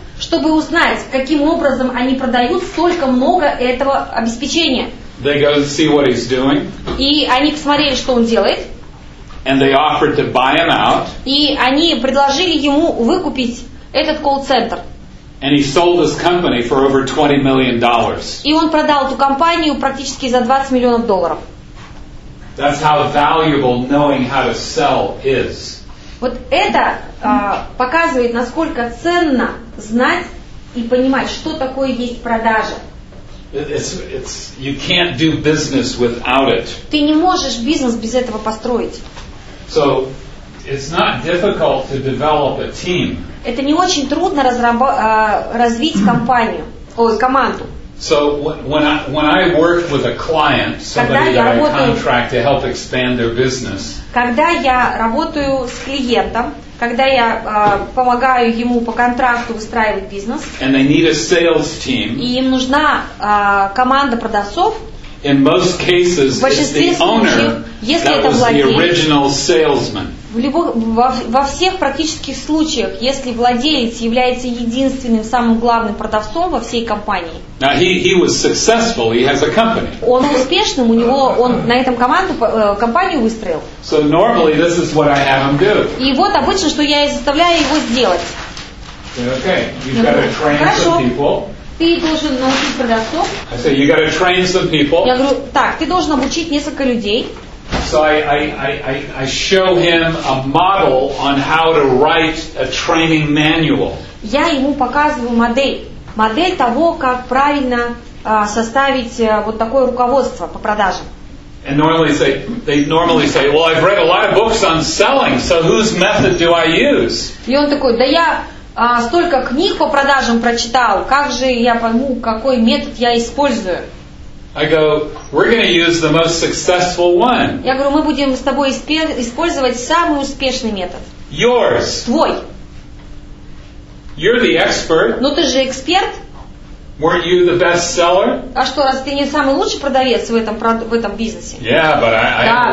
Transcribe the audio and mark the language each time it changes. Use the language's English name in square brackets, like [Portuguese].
[Russian] Чтобы узнать, каким образом они продают столько много этого обеспечения. [English] They go to see what he's doing. [Russian] И они посмотрели, что он делает. [English] And they offered to buy him out. [Russian] И они предложили ему выкупить этот колл-центр. [English] And he sold his company for over $20 million. [Russian] И он продал эту компанию практически за 20 миллионов долларов. [English] That's how valuable knowing how to sell is. [Russian] Вот это показывает, насколько ценно знать и понимать, что такое есть продажа. [English] You can't do business without it. [Russian] Ты не можешь бизнес без этого построить. [English] So, it's not difficult to develop a team. [Russian] Это не очень трудно развить компанию, команду. [English] So when I worked with a client, somebody that I contract to help expand their business. [Russian] Когда я работаю с клиентом, когда я помогаю ему по контракту выстраивать бизнес. [English] And they need a sales team. [Russian] И им нужна команда продавцов. [English] In most cases, it's the owner that was the original salesman. [Russian] Во всех практических случаях, если владелец является единственным, самым главным продавцом во всей компании, [English] Now he was successful. He has a company. [Russian] Он успешным, у него он на этом компанию выстроил. [English] So normally this is what I have him do. [Russian] И вот обычно, что я заставляю его сделать. Хорошо. Ты должен научить продавцов. [English] I say, you gotta train some people. [Russian] Я говорю, так, ты должен обучить несколько людей. [English] So I show him a model on how to write a training manual. [Russian] Я ему показываю модель того, как правильно составить вот такое руководство по продажам. [English] And normally they normally say, well, I've read a lot of books on selling, so whose method do I use? [Russian] И он такой, да я столько книг по продажам прочитал, как же я пойму, какой метод я использую? [English] I go, we're going to use the most successful one. [Russian] Я говорю, мы будем с тобой использовать самый успешный метод. [English] Yours. [Russian] Твой. [English] You're the expert. [Russian] Ну ты же эксперт. [English] Weren't you the best seller? [Russian] А что, раз ты не самый лучший продавец в этом бизнесе? [English] Yeah, but I [Russian] да,